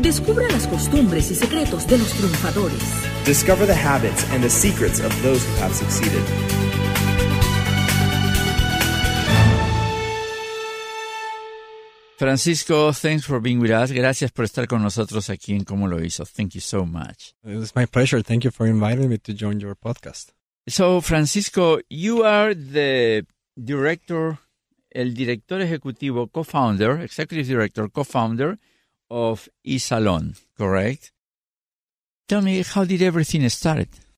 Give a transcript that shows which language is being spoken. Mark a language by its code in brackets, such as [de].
[es] Descubra las costumbres y secretos de los triunfadores. [en] Discover the habits and the secrets of those who have succeeded. Francisco, thanks for being with us. [es] Gracias por estar con nosotros aquí en Cómo Lo Hizo. [en] Thank you so much. It's my pleasure. Thank you for inviting me to join your podcast. So, Francisco, you are the director, [es] el director ejecutivo, [en] co-founder, executive director, co-founder of E-Salon, correct? Tell me, how did everything start?